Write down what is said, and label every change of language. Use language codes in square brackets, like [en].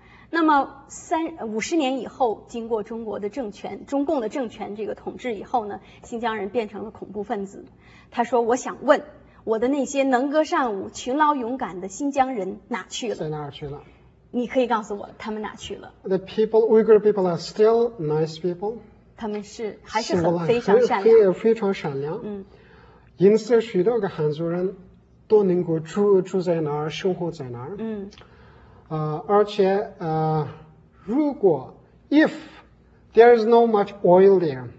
[zh] 那么50年以后，经过中国的政权，中共的政权这个统治以后呢，新疆人变成了恐怖分子。他说我想问我的那些能歌善舞勤劳勇敢的新疆人哪去了，在哪儿去了，你可以告诉我他们哪去了。 [en] The people, Uyghur people are still nice people. [zh] 他们是还是很非常善良，非常善良，因此许多个汉族人都能够 住在哪儿，生活在哪儿。而且如果 [en] if there is no much oil there,